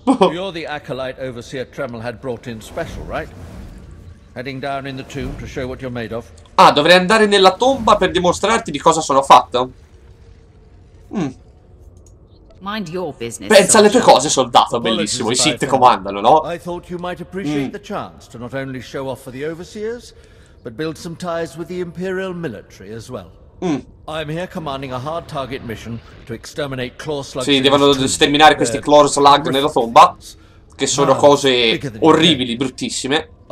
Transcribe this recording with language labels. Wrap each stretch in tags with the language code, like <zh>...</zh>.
<en>You're the acolyte overseer Tremel had brought in special, right? Heading down in the tomb to show what you're made of.</en> <it>Ah, dovrei andare nella tomba per dimostrarti di cosa sono fatto.</it> <en>Mind your business,</en> <it>pensa alle tue cose, soldato, bellissimo. I Sith comandano, no?</it> <en>I thought you might appreciate the chance to not only show off for the overseers, but build some ties with the Imperial military as well. I'm here commanding a hard target mission to exterminate claw slugs.</en> <it>Sì, devono sterminare questi claw slug nella tomba. Che sono cose orribili, bruttissime.</it>